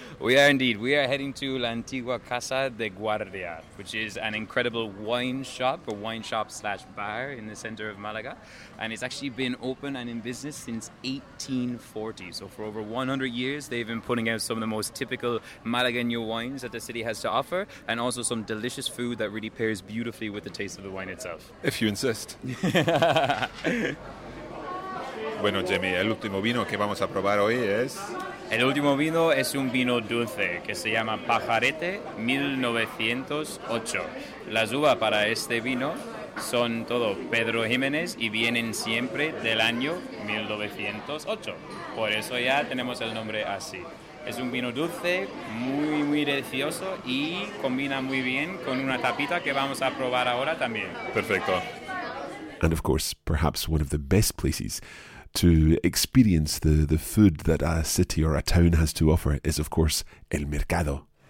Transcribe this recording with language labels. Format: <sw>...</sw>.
<en>We are indeed. We are heading to La Antigua Casa de Guardia, which is an incredible wine shop, a wine shop slash bar in the center of Malaga. And it's actually been open and in business since 1840. So for over 100 years, they've been putting out some of the most typical Malagueño wines that the city has to offer, and also some delicious food that really pairs beautifully with the taste of the wine itself. If you insist.</en> <es>Bueno, Jimmy, el último vino que vamos a probar hoy es... El último vino es un vino dulce que se llama Pajarete 1908. Las uvas para este vino son todo Pedro Jiménez y vienen siempre del año 1908. Por eso ya tenemos el nombre así. Es un vino dulce, muy, muy delicioso y combina muy bien con una tapita que vamos a probar ahora también. Perfecto.</es> <en>And of course, perhaps one of the best places to experience the food that a city or a town has to offer is, of course, el mercado.</en>